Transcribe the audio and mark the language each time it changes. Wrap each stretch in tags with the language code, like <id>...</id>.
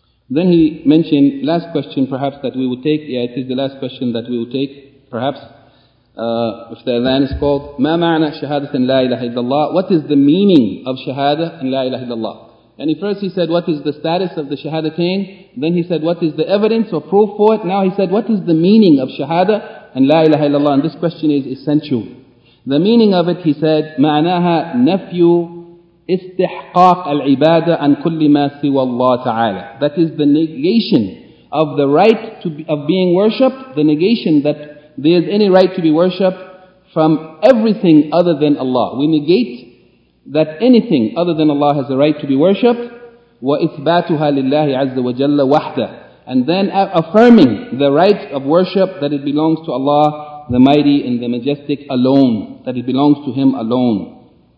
<en>Then he mentioned, last question perhaps that we will take, yeah, it is the last question that we will take, perhaps, if the adhan is called,</en> <ar>ما معنى شهادة لا إله إلا الله,</ar> <en>what is the meaning of shahada and la ilaha illallah? And first he said, what is the status of the shahadatain? Then he said, what is the evidence or proof for it? Now he said, what is the meaning of shahada and la ilaha illallah? And this question is essential. The meaning of it, he said,</en> <ar>معناها نفي استحقاق العبادة عن كل ما سوى الله تعالى.</ar> <en>That is the negation of the right to be, of being worshipped, the negation that there is any right to be worshipped from everything other than Allah. We negate that anything other than Allah has a right to be worshipped,</en> <ar>وَإِثْبَاتُهَا لِلَّهِ عَزَّ وَجَلَّ وَحْدَ,</ar> <en>and then affirming the right of worship, that it belongs to Allah, the Mighty and the Majestic alone, that it belongs to Him alone.</en>